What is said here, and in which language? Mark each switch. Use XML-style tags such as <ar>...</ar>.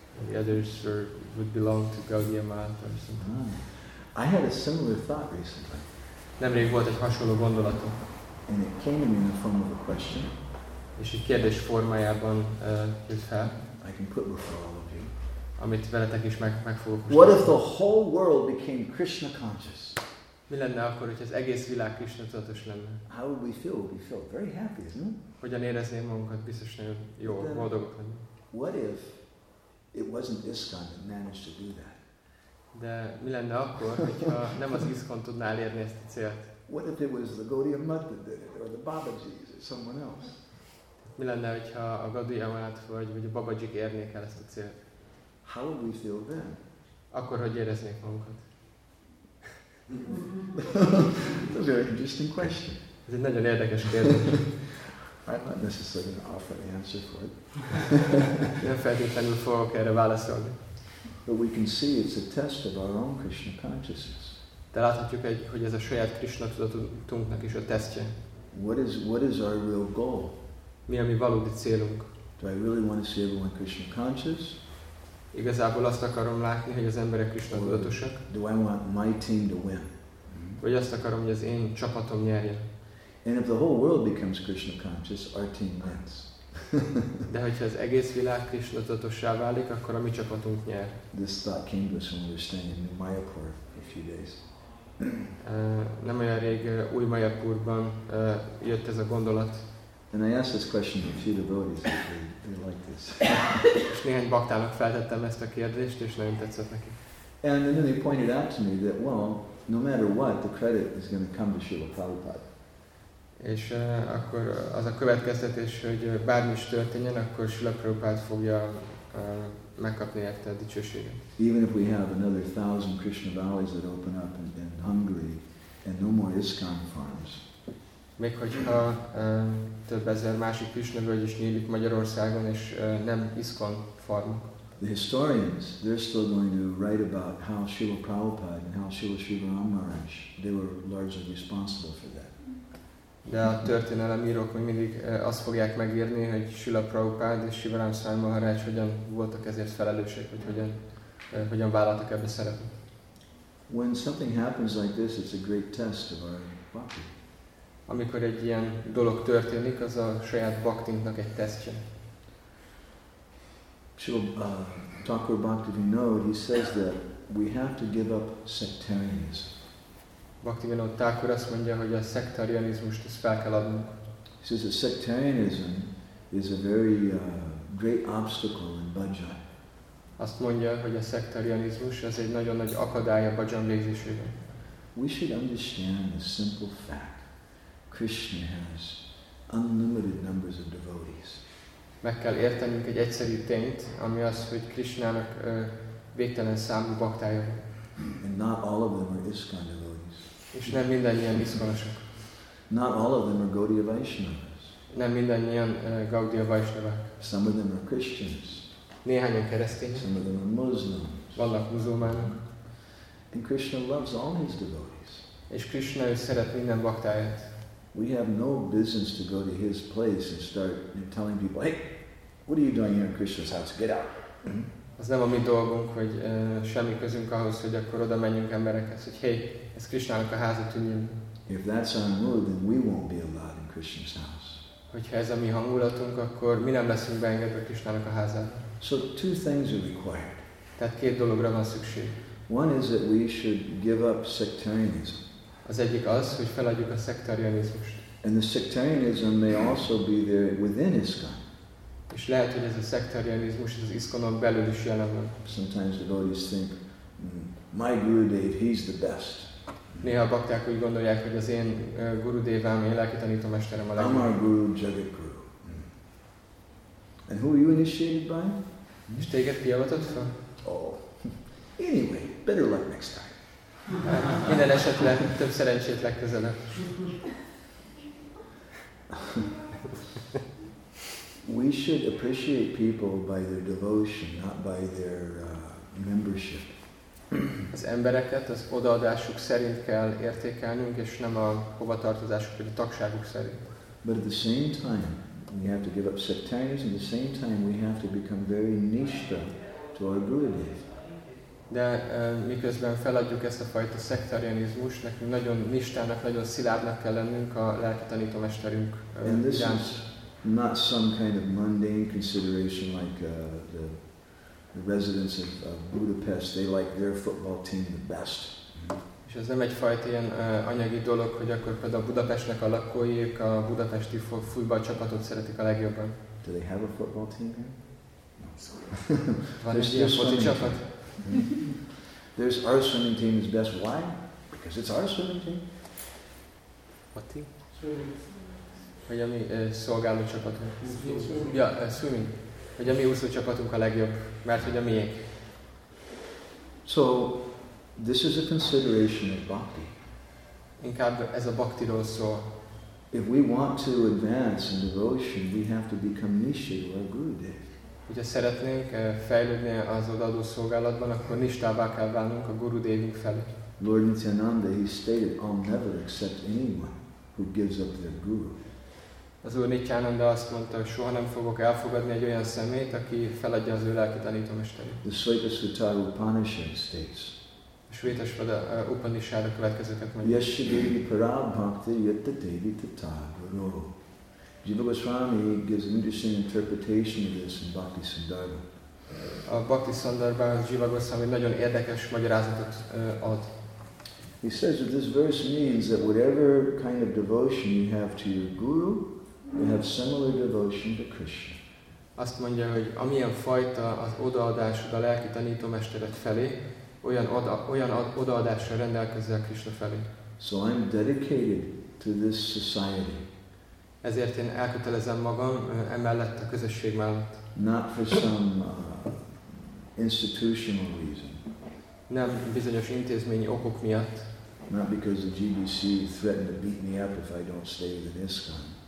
<en>The others are, would belong to Gaudiya Math or something. I had a similar thought recently.</en> <hu>Nemrég volt egy hasonló gondolatom.</hu> <en>And it came to me in the form of a question.</en> <hu>És egy kérdés formájában jött fel.</hu> <en>I can put before all of you.</en> <hu>Amit veletek is meg fogok mostani.</hu> <en>What if the whole world became Krishna conscious?</en> <hu>Mi lenne akkor, hogy az egész világ Krishna tudatos lenne?</hu> <en>How would we feel? We feel very happy, isn't it?</en> <hu>Hogyan éreznénk magunkat? Biztos nagyon jó, boldogok lenne.</hu> <en>What if it wasn't ISKCON that managed to do that?</en> <hu>De mi lenne akkor, hogyha nem az ISKCON tudná elérni ezt a célt?</hu> <en>What if it was the Gaudiya Math that did it, or the Babaji's, or someone else?</en> <hu>Mi lenne, hogyha a Gaudiya Math vagy a Babaji érnék el ezt a célt?</hu> <en>How would we feel then?</en> <hu>Akkor hogy éreznék magunkat?</hu> <en>That's a very interesting question.</en> <hu>Ez egy nagyon érdekes kérdés.</hu> <en>I'm not necessarily going to offer an answer for it.</en> <hu>Nem feltétlenül fogok erre válaszolni.</hu> <en>But we can see it's a test of our own Krishna consciousness.</en> <hu>De láthatjuk, hogy ez a saját Krishna tudatunknak is a tesztje.</hu> <en>What is our real goal?</en> <hu>Mi a mi valódi célunk?</hu> <en>Do I really want to see everyone Krishna conscious?</en> <hu>Igazából azt akarom látni, hogy az emberek Krishna tudatosak.</hu> <en>Do I want my team to win?</en> <hu>Vagy azt akarom, hogy az én csapatom nyerjen.</hu> <en>And if the whole world becomes Krishna conscious, our team wins.</en> <hu>De hogyha az egész világ Krishna tudatossá válik, akkor a mi csapatunk nyer.</hu> <en>This thought came to us when we were staying in Mayapur a few days.</en> <hu>Nem olyan rég új Mayapurban jött ez a gondolat.</hu> <en>And I asked this question to a few devotees if they like this.</en> <hu>És néhány baktának feltettem ezt a kérdést, és nagyon tetszett neki.</hu> <en>And then they pointed out to me that, well, no matter what, the credit is going to come to Srila Prabhupada.</en> <hu>És akkor az a következtetés, hogy bármi is történjen, akkor Srila Prabhupada fogja megkapni érte a dicsőséget.</hu> <en>Even if we have another 1000 Krishna valleys that open up in Hungary, and no more ISKCON farms.</en> <hu>Még hogyha több ezer másik Krishna völgy is nyílik Magyarországon, és nem ISKCON farmok.</hu> <en>The historians, they're still going to write about how Srila Prabhupada and how Srila Sri Ram Maharaj, they were largely responsible for that.</en> <hu>De a történelemírók még mindig azt fogják megírni, hogy Srila Prabhupada és Sri Ram Maharaj hogyan voltak ezért felelősek, hogy hogyan vállaltak ebbe szerepet.</hu> <en>When something happens like this, it's a great test of our bhakti.</en> <hu>Amikor egy ilyen dolog történik, az a saját bhaktinknak egy tesztje.</hu> <en>Thakur Bhaktivinoda, he says that we have to give up sectarianism.</en> <hu>Bhaktivinoda Thakur azt mondja, hogy a szektarianizmust ezt fel kell adnunk.</hu> <en>He says that sectarianism is a very great obstacle in bhajan.</en> <hu>Azt mondja, hogy a szektarianizmus az egy nagyon nagy akadály a bhajan végzésében.</hu> <en>We should understand the simple fact Krishna has unlimited numbers of devotees.</en> <hu>Meg kell értenünk egy egyszerű tényt, ami az, hogy Krishnának végtelen számú baktája van.</hu> <en>And not all of them are ISKCON devotees.</en> <hu>És nem mindannyian ISKCON-osok.</hu> <en>Not all of them are Gaudiya Vaishnavas.</en> <hu>Nem mindannyian Gaudiya Vaishnavak.</hu> <en>Some of them are Christians.</en> <hu>Néhányan keresztények.</hu> <en>Some of them are Muslims.</en> <hu>Vannak muzulmánok.</hu> <en>And Krishna loves all his devotees.</en> <hu>És Krishna ő szeret minden baktáját.</hu> <en>We have no business to go to his place and start telling people, hey, what are you doing here in Krishna's house? Get out.</en> <hu>Az nem a mi dolgunk, hogy semmi közünk ahhoz, hogy akkor oda menjünk emberekhez, hogy hey, ez Krishnának a háza, tűnjön.</hu> <en>If that's our mood, then we won't be allowed in Krishna's house.</en> <hu>Hogyha ez a mi hangulatunk, akkor mi nem leszünk beengedve Krishnának a házába.</hu> <en>So two things are required.</en> <hu>Tehát két dologra van szükség.</hu> <en>One is that we should give up sectarianism.</en> <hu>Az egyik az, hogy feladjuk a szektarianizmust.</hu> <en>And the sectarianism may also be there within ISKCON.</en> <hu>És lehet, hogy ez a szektarianizmus az ISKCON-on belül is jelen van.</hu> <en>Sometimes devotees think, my Gurudev, he's the best.</en> <hu>Néha a bakták úgy gondolják, hogy az én Gurudevám, én lelki tanítómesterem a legjobb.</hu> <en>I'm our Guru, Jagat Guru. And who are you initiated by?</en> <hu>És téged ki avatott fel?</hu> <en>Oh, anyway, better luck next time.</en> <hu>Minden esetre több szerencsét legközelebb.</hu> <en>We should appreciate people by their devotion, not by their membership.</en> <hu>Az embereket az odaadásuk szerint kell értékelnünk, és nem a hovatartozásuk, vagy a tagságuk szerint.</hu> <en>But at the same time, we have to give up sectarianism. At the same time, we have to become very nishtha to our Gurudev.</en> <hu>De miközben feladjuk ezt a fajta szektarianizmust, nekünk nagyon nistának, nagyon szilárdnak kell lennünk a lelki tanítómesterünk.</hu> <en>And this is not some kind of mundane consideration like the residents of Budapest, they like their football team the best.</en> <hu>És ez nem egyfajta ilyen anyagi dolog, hogy akkor például Budapestnek a lakóik a budapesti futballcsapatot szeretik a legjobban.</hu> <en>Do they have a football team here?</en> <hu>Van egy ilyen foci csapat?</hu> <en>There's our swimming team is best. Why? Because it's our swimming team. What team?</en> <hu>Hogy a mi szolgáló csapatunk. Ja,</hu> <en>swimming.</en> <hu>Hogy a mi úszó csapatunk a legjobb, mert hogy a miénk.</hu> <en>So, this is a consideration of bhakti.</en> <hu>Inkább ez a bhaktiról szól.</hu> <en>If we want to advance in devotion, we have to become nishtha to our Gurudev.</en> <hu>Hogyha szeretnénk fejlődni az odaadó szolgálatban, akkor nishtává kell válnunk a Gurudevünk felé.</hu> <en>Lord Nityananda, he stated, I'll never accept anyone who gives up their guru.</en> <hu>Az Úr Nityananda azt mondta, hogy soha nem fogok elfogadni egy olyan szemét, aki feladja az ő lelki tanítómesterét.</hu> <en>The Svetasvatara Upanishad states,</en> <hu>a Svetasvada Upanishad a következőket mondja.</hu> <sa>Yashadevi parabhakti yattadevi tatagaro.</sa> <en>Jiva Goswami gives an interesting interpretation of this in Bhakti Sandarbha.</en> <hu>A Bhakti Sandarbha Jiva Goswami nagyon érdekes magyarázatot ad.</hu> <en>He says that this verse means that whatever kind of devotion you have to your guru, you have similar devotion to Krishna.</en> <hu>Azt mondja, hogy amilyen fajta az odaadásod a lelki tanítómestered felé, olyan odaadásra rendelkezel Krishna felé.</hu> <en>So I'm dedicated to this society.</en> <hu>Ezért én elkötelezem magam emellett a közösség mellett.</hu> <en>Not for some institutional reason.</en> <hu>Nem bizonyos intézményi okok miatt.</hu> <en>Not because the GBC threatened to beat me up if I don't stay within ISKCON.</en>